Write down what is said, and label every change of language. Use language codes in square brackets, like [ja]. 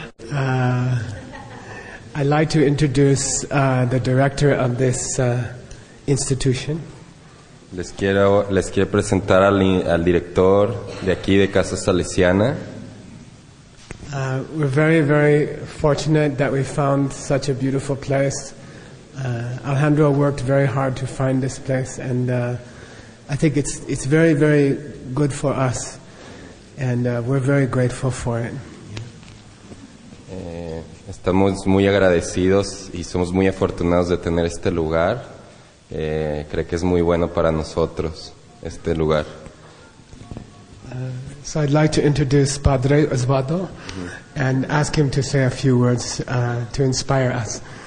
[en] I'd like to introduce the director of this institution. [es] Les quiero presentar al director de aquí de Casa Salesiana. [en] We're very, very fortunate that we found such a beautiful place. Alejandro worked very hard to find this place, and I think it's very, very good for us. And we're very grateful for it. [es] Estamos muy agradecidos y somos muy afortunados de tener este lugar. Creo que es muy bueno para nosotros este lugar. [en] So I'd like to introduce Padre Osvaldo and ask him to say a few words to inspire us.